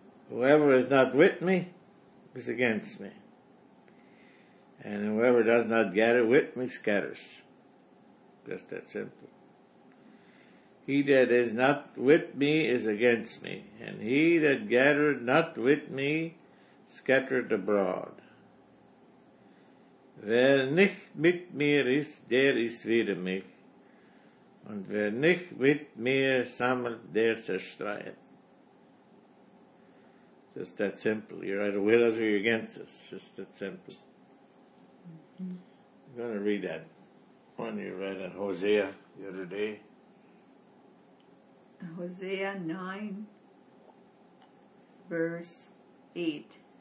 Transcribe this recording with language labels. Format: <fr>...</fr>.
<en>Whoever is not with me is against me. And whoever does not gather with me scatters. Just that simple. He that is not with me is against me, and he that gathereth not with me scattereth abroad.</en> <de>Wer nicht mit mir ist, der ist wider mich, und wer nicht mit mir sammelt, der zerstreut.</de> <en>Just that simple. You're either with us or you're against us. Just that simple. I'm going to read that one you read in Hosea the other day. Hosea 9, verse 8.</en>